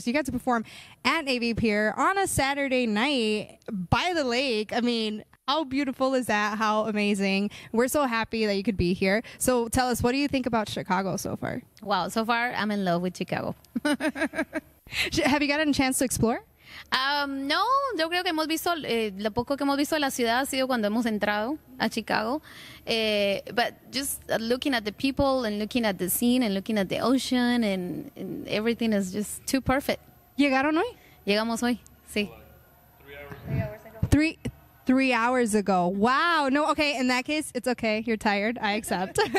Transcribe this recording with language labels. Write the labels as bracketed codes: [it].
[en] So you got to perform at Navy Pier on a Saturday night by the lake. I mean, how beautiful is that? How amazing. We're so happy that you could be here. So tell us, what do you think about Chicago so far? Wow, so far I'm in love with Chicago. Have you gotten a chance to explore? [es] No, yo creo que hemos visto, lo poco que hemos visto de la ciudad ha sido cuando hemos entrado a Chicago. [en] But just looking at the people and looking at the scene and looking at the ocean and everything is just too perfect. [es] ¿Llegaron hoy? Llegamos hoy, sí. [en] 3 hours ago. Wow. No, okay. In that case, it's okay. You're tired. I accept.